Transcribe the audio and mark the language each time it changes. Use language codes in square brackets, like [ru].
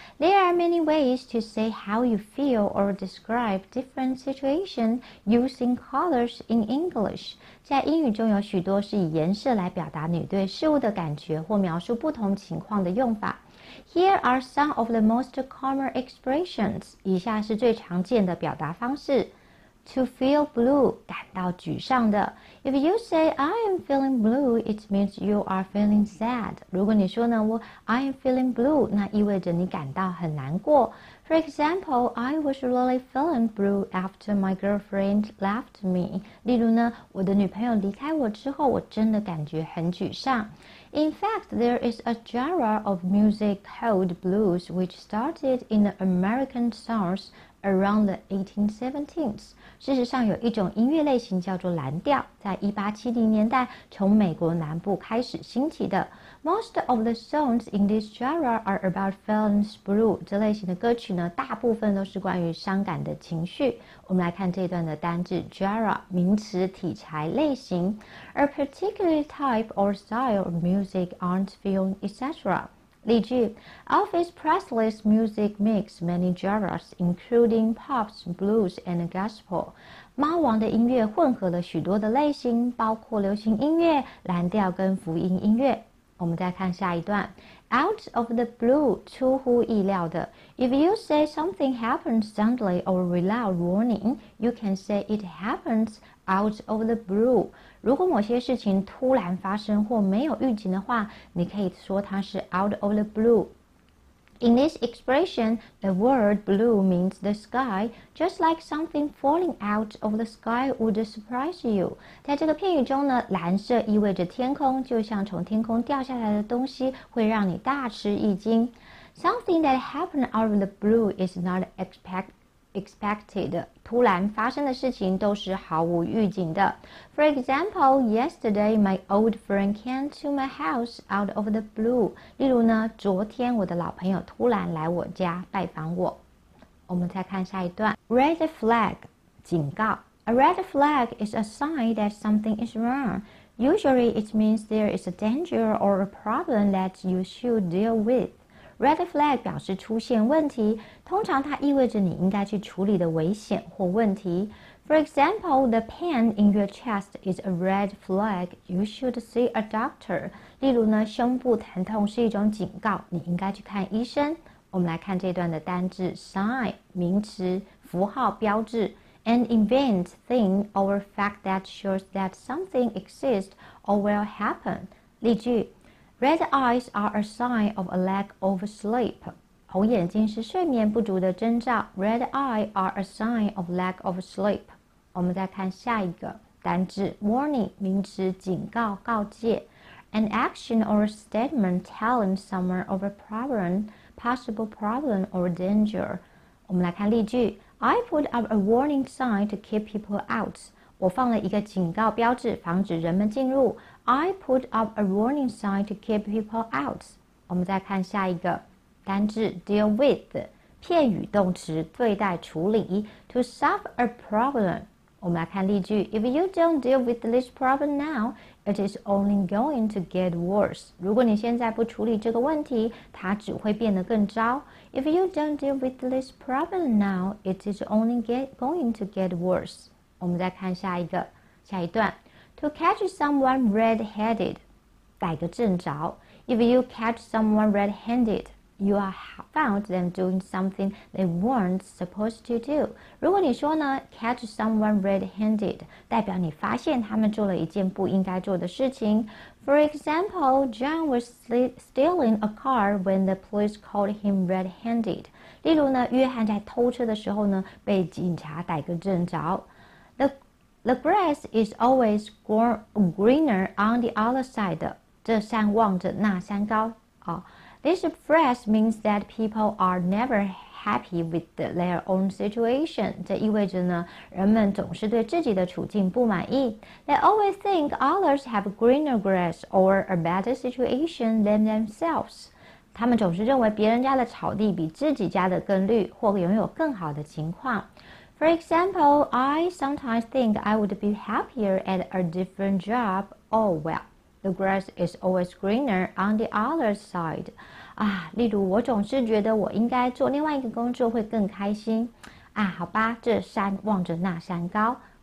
[en] There are many ways to say how you feel or describe different situations using colors in English。 [zh] 在英语中有许多是以颜色来表达你对事物的感觉或描述不同情况的用法。 [en] Here are some of the most common expressions。 [zh] 以下是最常见的表达方式。 [en] To feel blue, [zh] 感到沮丧的。 [en] If you say, I am feeling blue, it means you are feeling sad. [zh] 如果你说呢，我 [en] I am feeling blue, [zh] 那意味着你感到很难过。 [en] For example, I was really feeling blue after my girlfriend left me. [zh] 例如呢，我的女朋友离开我之后，我真的感觉很沮丧。 [en] In fact, there is a genre of music called blues, which started in the American songs around the 1870s. [zh] 事实上，有一种音乐类型叫做蓝调，在1870年代从美国南部开始兴起的。 [en] Most of the songs in this genre are about feelings blue. [zh] 这类型的歌曲呢，大部分都是关于伤感的情绪。我们来看这段的单字 [en] genre [zh] 名词体裁类型， [en] a particular type or style of music, aren't feeling, etc. [zh] 例句： [en] Elvis Presley's music mix many genres, including pop, blues, and gospel. [zh] 猫王的音乐混合了许多的类型，包括流行音乐、蓝调跟福音音乐。我们再看下一段， [en] out of the blue， [zh] 出乎意料的。 [en] If you say something happens suddenly or without warning，you can say it happens out of the blue。 [zh] 如果某些事情突然发生或没有预警的话，你可以说它是 [en] out of the blue。 In this expression, the word blue means the sky, just like something falling out of the sky would surprise you. [zh] 在这个片语中呢，蓝色意味着天空，就像从天空掉下来的东西，会让你大吃一惊。 [en] Something that happened out of the blue is not expected. [zh] 突然发生的事情都是毫无预警的。 [en] For example, yesterday my old friend came to my house out of the blue. [zh] 例如呢，昨天我的老朋友突然来我家拜访我。我们再看下一段， [en] Red flag， [zh] 警告。 [en] A red flag is a sign that something is wrong. Usually, it means there is a danger or a problem that you should deal with. Red flag [zh] 表示出现问题，通常它意味着你应该去处理的危险或问题。 [en] For example, the pain in your chest is a red flag. You should see a doctor. [zh] 例如呢，胸部疼痛是一种警告，你应该去看医生。我们来看这段的单字 sign 名词，符号、标志。 [en] An event, thing, or fact that shows that something exists or will happen. [zh] 例句。 [en] Red eyes are a sign of a lack of sleep. [zh] 红眼睛是睡眠不足的征兆。 [en] Red eyes are a sign of lack of sleep. [zh] 我们再看下一个单字 [en] warning [zh] 名词，警告、告诫。 [en] An action or statement telling someone of a problem, possible problem or danger. [zh] 我们来看例句。 [en] I put up a warning sign to keep people out. [zh] 我放了一个警告标志，防止人们进入。 [en] I put up a warning sign to keep people out. [zh] 我们再看下一个单字 deal with, 片语动词对待处理 [en] to solve a problem. [zh] 我们来看例句 [en] If you don't deal with this problem now, it is only going to get worse. [zh] 如果你现在不处理这个问题，它只会变得更糟。 [en] If you don't deal with this problem now, it is only going to get worse. [zh] 我们再看下一段。 [en] To catch someone red-handed, [zh] 逮个正着。 [en] If you catch someone red-handed, you are found them doing something they weren't supposed to do. [zh] 如果你说呢， [en] catch someone red-handed， [zh] 代表你发现他们做了一件不应该做的事情。 [en] For example, John was stealing a car when the police called him red-handed. [zh] 例如呢，约翰在偷车的时候呢，被警察逮个正着。 [en] The grass is always greener on the other side. [zh] 这山望着那山高。 [en] This phrase means that people are never happy happy with their own situation. [zh] 这意味着呢，人们总是对自己的处境不满意。 [en] They always think others have greener grass or a better situation than themselves. [zh] 他们总是认为别人家的草地比自己家的更绿，或拥有更好的情况。 [en] For example, I sometimes think I would be happier at a different job. Oh well, the grass is always greener on the other side. [zh] 啊，例如我总是觉得我应该做另外一个工作会更开心。啊，好吧，这山望着那山高。